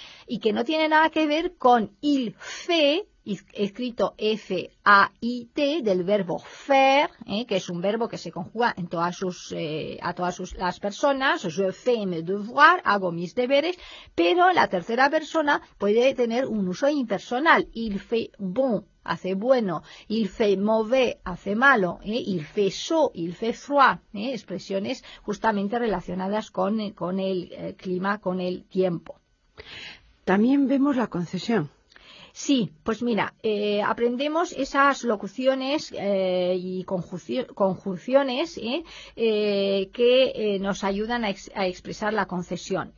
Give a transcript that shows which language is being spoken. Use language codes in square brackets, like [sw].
[es] Y que no tiene nada que ver con il fait, escrito F-A-I-T, del verbo faire, que es un verbo que se conjuga en todas sus, a todas sus, las personas. [fr] Je fais mes devoirs, [es] hago mis deberes, pero la tercera persona puede tener un uso impersonal. [fr] Il fait bon, [es] hace bueno. [fr] Il fait mauvais, [es] hace malo. [fr] Il fait chaud, il fait froid, [es] expresiones justamente relacionadas con el clima, con el tiempo. También vemos la concesión. Sí, pues mira, aprendemos esas locuciones y conjunciones que nos ayudan a expresar la concesión.